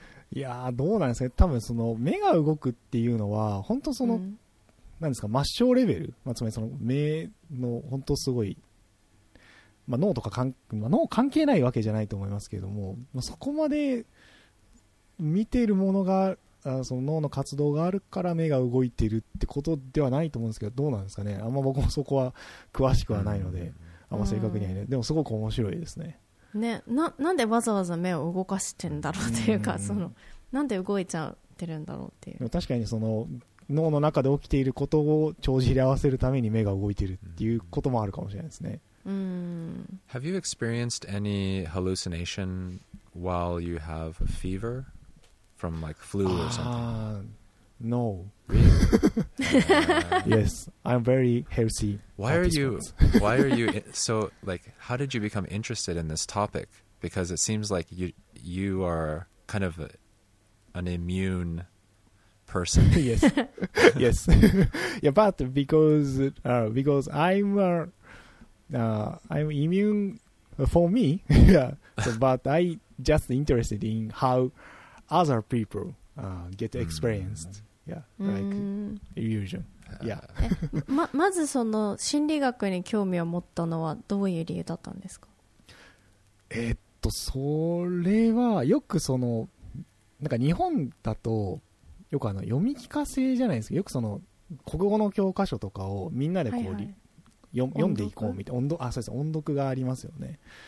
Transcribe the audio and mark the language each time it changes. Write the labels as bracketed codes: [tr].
[ja] いやーどうなんですか、ね、多分その目が動くっていうのは本当その、うん、なんですか、末梢レベル、まあ、つまりその目の本当すごい、まあ、脳とか関、まあ、脳関係ないわけじゃないと思いますけれども、まあ、そこまで見てるものが、あ、その脳の活動があるから目が動いてるってことではないと思うんですけど、どうなんですかね、あんま僕もそこは詳しくはないので、うん、あんま正確にはいない、うん、でもすごく面白いですね。ね、なんでわざわざ目を動かしてんだろうというか、うん、そのなんで動いちゃってるんだろうっていう。でも確かにその脳の中で起きていることを帳尻合わせるために目が動いてるっていうこともあるかもしれないですね。うん、 [en] Have you experienced any hallucination while you have a fever from like flu or something? No. Really? Yes, I'm very healthy. Why are you so like, how did you become interested in this topic? Because it seems like you are kind of an immune person. Yes. Yes. Yeah, but because I'm immune for me. Yeah. So, but I just interested in how other people get experienced. Mm. Yeah, like illusion. Yeah. [ja] まずその心理学に興味を持ったのはどういう理由だったんですか？それはよくそのなんか日本だとよくあの読み聞かせじゃないですか、よくその国語の教科書とかをみんなでこう、はいはい、読んでいこうみたいな、音読がありますよね。